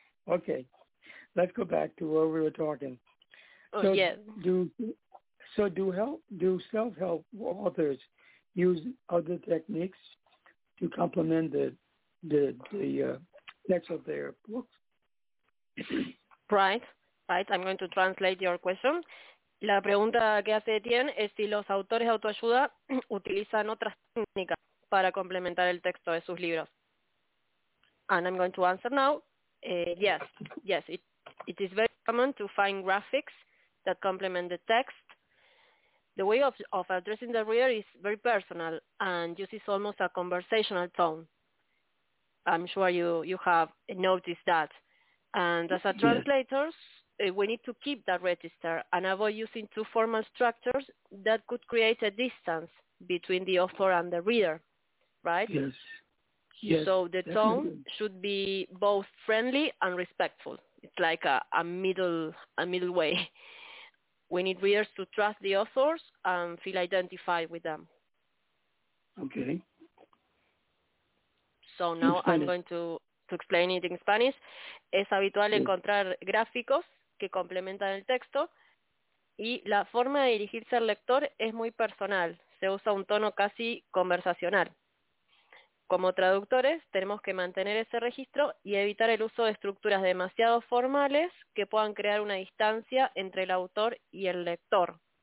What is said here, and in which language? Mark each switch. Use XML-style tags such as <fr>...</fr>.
<en>Okay, let's go back to where we were talking. Do self-help authors use other techniques to complement the text of their books? Right. I'm going to translate your question.</en> <es>La pregunta que hace Etienne es si los autores de autoayuda utilizan otras técnicas para complementar el texto de sus libros.</es> <en>And I'm going to answer now. Yes, it is very common to find graphics that complement the text. The way of addressing the reader is very personal and uses almost a conversational tone. I'm sure you have noticed that. And as a translator, we need to keep that register and avoid using too formal structures that could create a distance between the author and the reader, right? Yes. So the definitely. Tone should be both friendly and respectful. It's like a middle way. We need readers to trust the authors and feel identified with them. Okay. So now I'm going to explain it in Spanish.</en> <es>Es habitual encontrar gráficos que complementan el texto y la forma de dirigirse al lector es muy personal. Se usa un tono casi conversacional. Como traductores, tenemos que mantener ese registro y evitar el uso de estructuras demasiado formales que puedan crear una distancia entre el autor y el lector.</es>